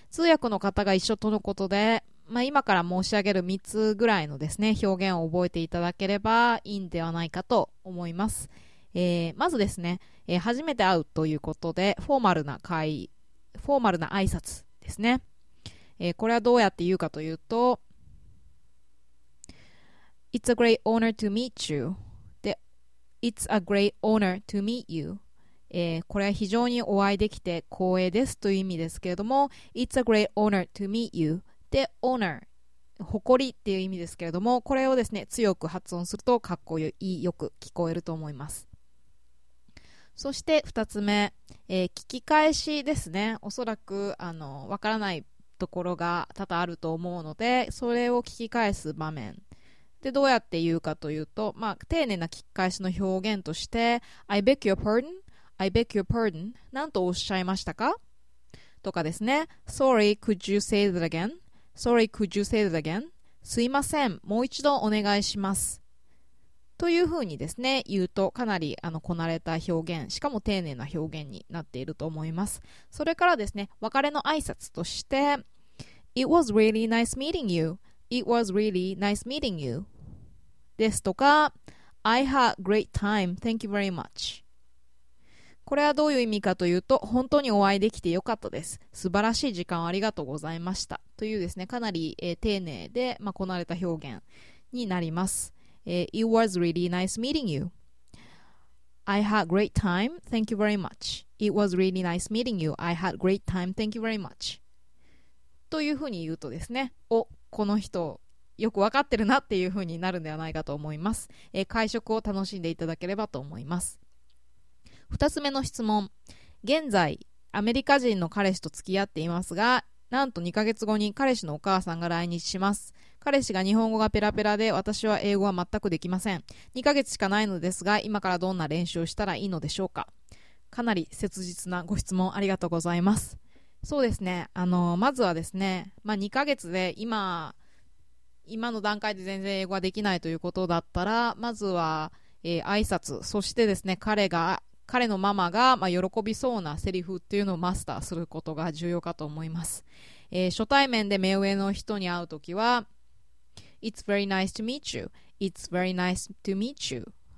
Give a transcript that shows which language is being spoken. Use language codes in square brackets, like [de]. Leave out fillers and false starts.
[ja] 通訳の方が一緒とのことで、今から申し上げる3つぐらいのですね、表現を覚えていただければいいんではないかと思います。まずですね、初めて会うということで、フォーマルな挨拶ですね。これはどうやって言うかというと、 [en] It's a great honor to meet you. It's a great honor to meet you. [ja] これは非常にお会いできて光栄ですという意味ですけれども、 [en] It's a great honor to meet you. [ja] で、honor、誇りっていう意味ですけれども、これをですね、強く発音するとかっこいい、よく聞こえると思います。そして2つ目、聞き返しですね。おそらくわからないところが多々あると思うので、それを聞き返す場面でどうやって言うかというと、丁寧な聞き返しの表現として、 [en] I beg your pardon? [ja] I beg your pardon? なんとおっしゃいましたかとかですね、 [en] Sorry, could you say that again? Sorry, could you say that again? [ja] すいません、もう一度お願いしますというふうにですね、言うとかなりこなれた表現、しかも丁寧な表現になっていると思います。それからですね、別れの挨拶として、 [en] It was really nice meeting you. It was really nice meeting you. [ja] ですとか、 [en] I had great time. Thank you very much. [ja] これはどういう意味かというと、本当にお会いできてよかったです。素晴らしい時間をありがとうございました。というですね、かなり、丁寧で、こなれた表現になります。 [en] It was really nice meeting you. I had great time. Thank you very much. It was really nice meeting you. I had great time. Thank you very much. [ja] というふうに言うとですね、お、この人よくわかってるなっていうふうになるんではないかと思います。会食を楽しんでいただければと思います。二つ目の質問。現在、アメリカ人の彼氏と付き合っていますが、なんと2ヶ月後に彼氏のお母さんが来日します。彼氏が日本語がペラペラで、私は英語は全くできません。 2ヶ月しかないのですが、今からどんな練習をしたらいいのでしょうか。かなり切実なご質問ありがとうございます。そうですね。まずはですね、2ヶ月で今の段階で全然英語ができないということだったら、まずは、挨拶、そしてですね、彼のママが、喜びそうなセリフっていうのをマスターすることが重要かと思います。初対面で目上の人に会うときは、 [en] It's very nice to meet you. It's very nice to meet you.